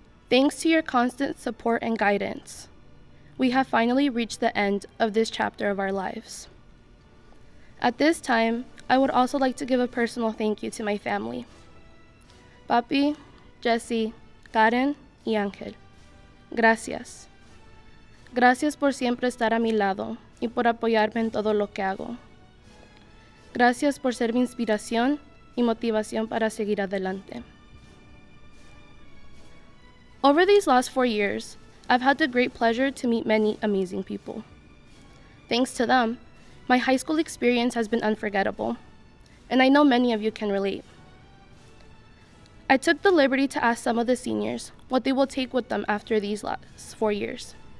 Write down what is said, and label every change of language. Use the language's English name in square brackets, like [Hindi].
[English] Thanks to your constant support and guidance, we have finally reached the end of this chapter of our lives. At this time, I would also like to give a personal thank you to my family, Papi, Jesse, Karen, y Angel. [Spanish] Gracias. Gracias por siempre estar a mi lado y por apoyarme en todo lo que hago. Gracias por ser mi inspiración y motivación para seguir adelante. [English] Over these last 4 years, I've had the great pleasure to meet many amazing people. Thanks to them, my high school experience has been unforgettable, and I know many of you can relate. I took the liberty to ask some of the seniors what they will take with them after these last 4 years.